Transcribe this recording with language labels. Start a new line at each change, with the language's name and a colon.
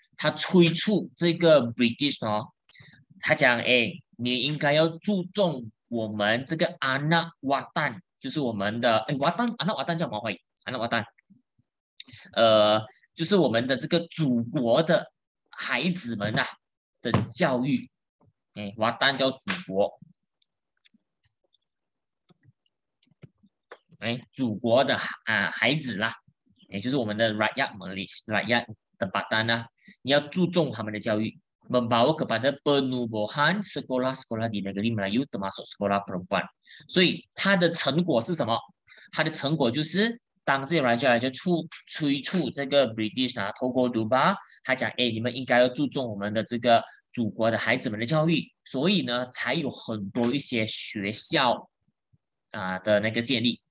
Chinese: 他催促这个 British 哦，他讲哎，你应该要注重我们这个阿纳瓦旦，就是我们的哎瓦旦，阿纳瓦旦叫什么话？阿纳瓦旦，就是我们的这个祖国的孩子们啊的教育，哎，瓦旦叫祖国。哎，祖国的啊孩子啦，也就是我们的
Malay: rakyat Malaysia，rakyat tempatan
Chinese: 啦，你要注重他们的教育 ，
Malay: membawa kepada penubuhan sekolah-sekolah di negeri Melayu termasuk sekolah perempuan。
Chinese: 所以他的成果是什么？他的成果就是当这些 rakyat 就催促这个 British 啊，透过 Duba， 他讲哎，你们应该要注重我们的这个祖国的孩子们的教育，所以呢，才有很多一些学校啊的那个建立。